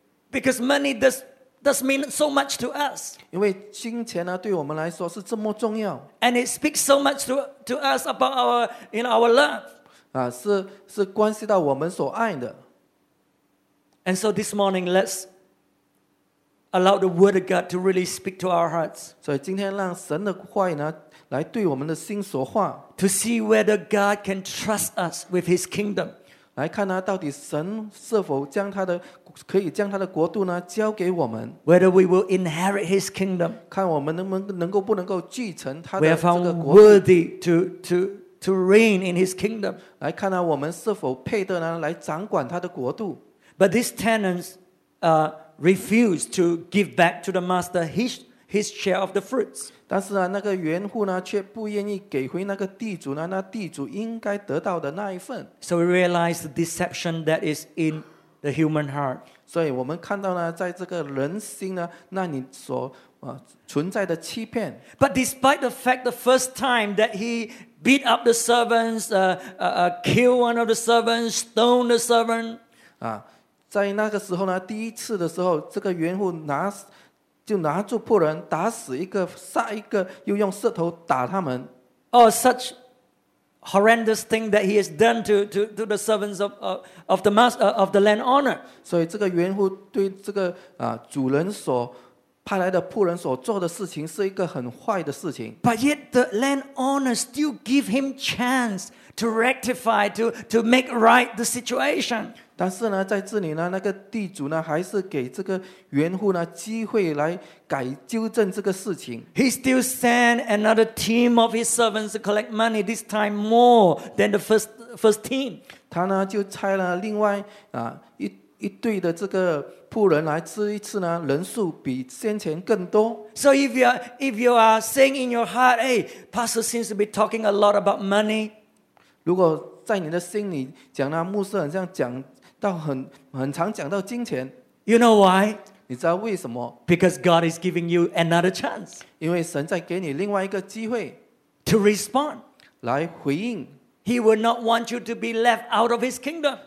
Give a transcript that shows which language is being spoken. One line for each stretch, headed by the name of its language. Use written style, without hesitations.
English: Because money does mean so much to us.
Chinese: 因为金钱呢对我们来说是这么重要。
English: And it speaks so much to us about our, you know, our love.
Chinese: 是关系到我们所爱的。
English: And so this morning, let's allow the word of God to really speak to our hearts.
Chinese: 所以今天让神的话语呢，来对我们的心说话。
English: To see whether God can trust us with His kingdom.
Chinese: 来看呢，到底神是否将他的可以将他的国度呢交给我们。
English: Whether we will inherit His kingdom.
Chinese: 看我们能够继承他的这个国度。
English: We are found worthy to reign in his kingdom.
Chinese: 来看我们是否配得来掌管他的国度。
English: But these tenants refused to give back to the master his share of the fruits.
Chinese: 但是那个园户却不愿意给回那个地主那地主应该得到的那一份。
English: So we realize the deception that is in the human heart.
Chinese: 所以我们看到在这个人心那你所存在的欺骗。
English: But despite the fact the first time that he beat up the servants, kill one of the servants, stone the servant.
Chinese: 在那个时候呢，第一次的时候，这个园户拿住仆人，打死一个，杀一个，又用石头打他们。
English: Oh, such horrendous thing that he has done to the servants of the master of the landowner.
Chinese: 所以这个园户对这个主人所派来的仆人所做的事情是一个很坏的事情。
English: But yet the landowner still give him chance to rectify, to make right the situation.
Chinese: 但是呢，在这里呢，那个地主呢，还是给这个园户呢机会来改纠正这个事情。
English: He still send another team of his servants to collect money, this time more than the first team.
Chinese: 他呢就差了另外一队的这个仆人来吃一次呢，人数比先前更多。
English: So if you are saying in your heart, "Hey, Pastor seems to be talking a lot about money."
Chinese: 如果在你的心里讲呢，牧师好像讲到很常讲到金钱。
English: You know why?
Chinese: 你知道为什么
English: ？Because God is giving you another chance.
Chinese: 因为神在给你另外一个机会
English: to respond
Chinese: 来回应。
English: He will not want you to be left out of his kingdom.